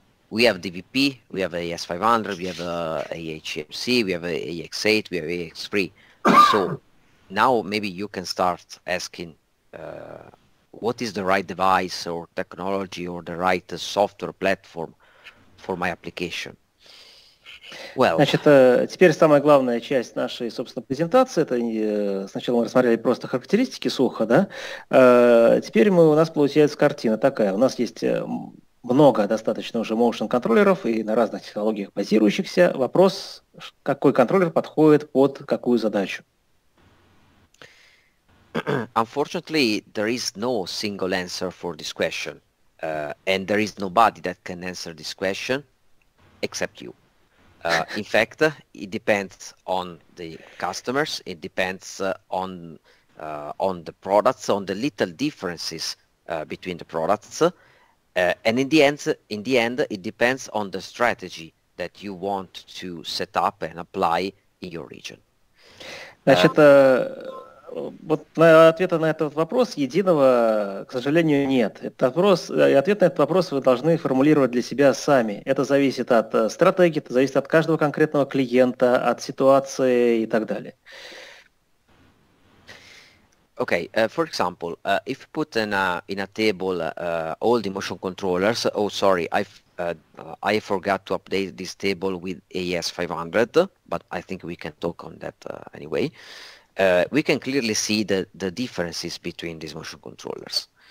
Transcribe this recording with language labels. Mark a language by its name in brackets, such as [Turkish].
[English] We have DVP, we have AS500, we have AHMC, we have AX8, we have AX3. So now maybe you can start asking what is the right device or technology or the right software platform for my application? [Russian] Well, значит, теперь самая главная часть нашей, собственно, презентации. Это сначала мы рассмотрели просто характеристики сухо, да? Теперь мы, у нас получается картина такая. У нас есть много достаточно уже motion-контроллеров и на разных технологиях базирующихся. Вопрос, какой контроллер подходит под какую задачу? [English] Unfortunately, there is no single answer for this question. And there is nobody that can answer this question except you. In fact, it depends on the customers, it depends on the products, on the little differences between the products. And in the end, it depends on the strategy that you want to set up and apply in your region. [Russian] Значит, вот ответа на этот вопрос единого, к сожалению, нет. Этот вопрос, ответ на этот вопрос вы должны формулировать для себя сами. Это зависит от стратегии, это зависит от каждого конкретного клиента, от ситуации и так далее. [English] Okay, for example, if you put in a table all the motion controllers, I forgot to update this table with AS500, but I think we can talk on that anyway. We can clearly see the differences between these motion controllers.